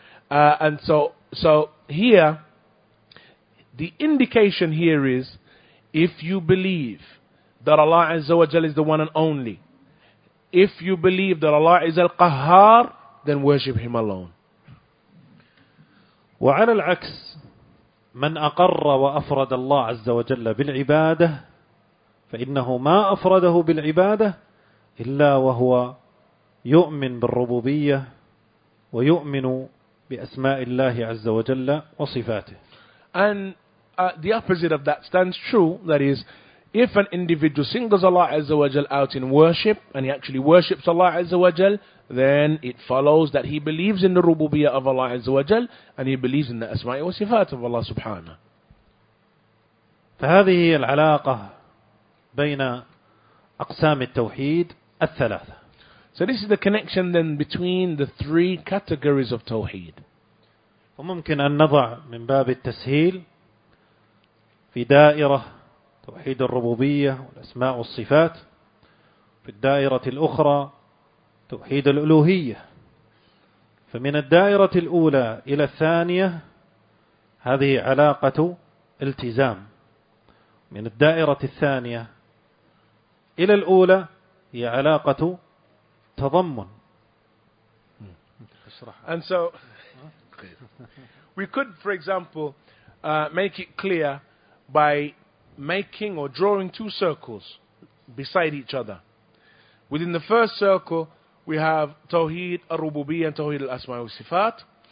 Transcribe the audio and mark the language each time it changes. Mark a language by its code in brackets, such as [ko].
[en] And so here, the indication here is, if you believe that Allah Azza wa Jal is the one and only, if you believe that Allah is Al-Qahhar, then worship Him alone. [ar] وعلى العكس من أقر وأفرد الله عز وجل بالعبادة فإنه ما أفرده بالعبادة إلا وهو يؤمن بالربوبية ويؤمن بأسماء الله عز وجل وصفاته. [en] And the opposite of that stands true, that is, if an individual singles Allah Azza wa Jal out in worship, and he actually worships Allah Azza wa Jal, then it follows that he believes in the rububiyyah of Allah Azza wa Jal, and he believes in the asma'i wa sifat of Allah subhanahu. [ar] فهذه هي العلاقة بين أقسام التوحيد الثلاثة. [en] So this is the connection then between the three categories of tawheed. [ar] وممكن أن نضع من باب التسهيل في دائرة توحيد الربوبية والأسماء والصفات، في الدائرة الأخرى توحيد الألوهية، فمن الدائرة الأولى إلى الثانية هذه علاقة التزام، من الدائرة الثانية إلى الأولى هي علاقة تضمن. [en] And so we could, for example, make it clear by making or drawing two circles beside each other. Within the first circle, we have Tawheed al-Rububiyyah and Tawheed al-Asma'i wa-Sifat.